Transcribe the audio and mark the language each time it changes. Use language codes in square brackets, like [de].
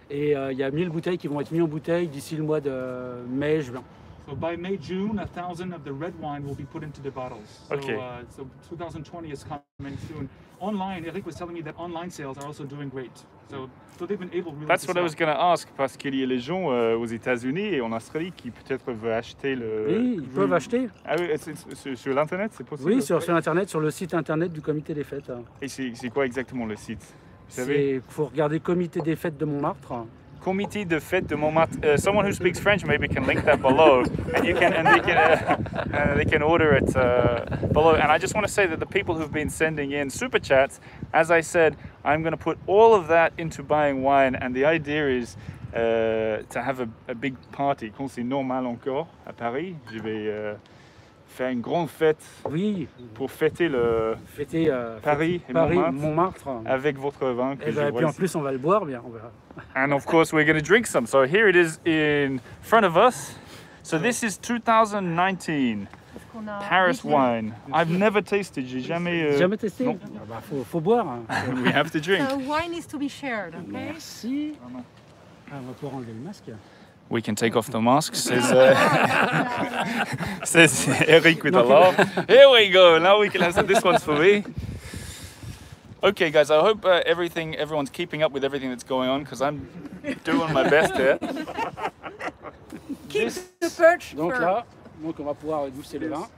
[fr] Et il y a 1000 bouteilles qui vont être mises en bouteille d'ici le mois de mai, juin. [en] So by May, June, 1,000 of the red wine will be put into the bottles. Okay. So 2020 is coming soon. Online, Eric was telling me that online sales are also doing great. So they've been able really That's what sell. I was going to ask, [fr] parce qu'il y a les gens aux États-Unis et en Australie qui peut-être veulent acheter le... Oui, ils peuvent acheter. Ah oui, sur l'Internet, c'est possible? Oui, sur l'Internet, sur le site Internet du Comité des Fêtes. Et c'est quoi exactement le site? Faut regarder Comité des Fêtes de Montmartre. Comité de fête de Montmartre. [en] Someone who speaks French maybe can link that below, and they can order it below. And I just want to say that the people who've been sending in super chats, as I said, I'm going to put all of that into buying wine. And the idea is to have a big party. [fr] Quand c'est normal encore à Paris, je vais faire une grande fête. Oui. Pour fêter le Paris Montmartre avec votre vin. Et puis en plus on va le boire bien. On verra. [en] And of course we're going to drink some. So here it is in front of us. So this is 2019 Paris wine. I've never tasted. [fr] J'ai jamais. Jamais testé. Non. Faut boire. Hein. [en] We have to drink. So wine is to be shared, okay? [fr] Merci. On va pouvoir enlever le masque. [en] We can take off the mask, says says Eric with a laugh. Here we go. Now we can have some. This one's for me. Okay, guys, I hope everyone's keeping up with everything that's going on, because I'm doing my best here. Keep the perch. [fr] Donc là, donc on va pouvoir goûter le vin.